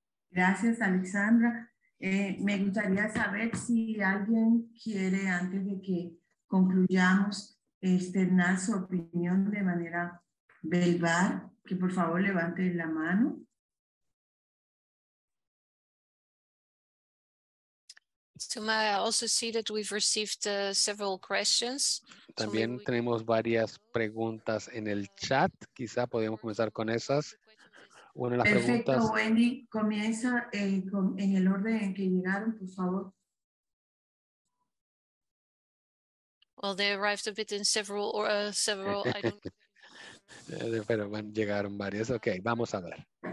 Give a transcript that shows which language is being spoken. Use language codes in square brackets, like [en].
[es] Gracias, Alexandra. Me gustaría saber si alguien quiere, antes de que concluyamos, externar su opinión de manera verbal, que por favor levante la mano. [en] It's Xiomara, also see that we've received several questions. [es] También tenemos varias preguntas en el chat. Quizá podemos comenzar con esas. Bueno, las preguntas. Perfecto, Wendy, comienza en el orden en que llegaron, por favor. [en] Well, they arrived a bit in several or several. I don't... [es] Pero bueno, llegaron varias. Okay, vamos a ver.